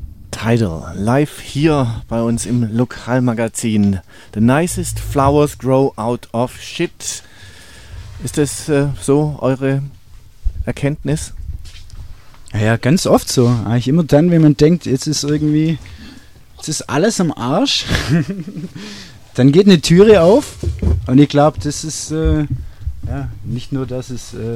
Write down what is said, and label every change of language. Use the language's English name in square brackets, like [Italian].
[German] Tidal, live hier bei uns im Lokalmagazin. [English] The nicest flowers grow out of shit. [German] Ist das so eure Erkenntnis? Ja, ganz oft so. Eigentlich immer dann, wenn man denkt, jetzt ist irgendwie, jetzt ist alles am Arsch, dann geht eine Türe auf. Und ich glaube, das ist, ja, nicht nur, dass es...